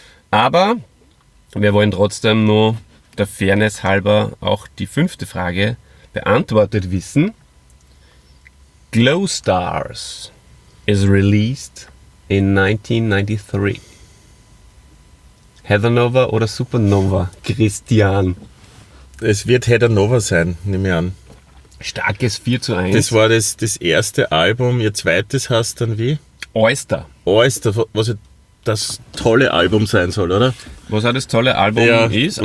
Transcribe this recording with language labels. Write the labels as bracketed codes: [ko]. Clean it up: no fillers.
[de] Aber wir wollen trotzdem nur der Fairness halber auch die fünfte Frage beantwortet wissen. [en] Glow Stars is released in 1993. [de] Heathernova oder Supernova, Christian? Es wird Heathernova sein, nehme ich an. Starkes 4-1. Das war das erste Album. Ihr zweites heißt dann wie? Oyster. Oyster, was das tolle Album sein soll, oder? Was auch das tolle Album ist.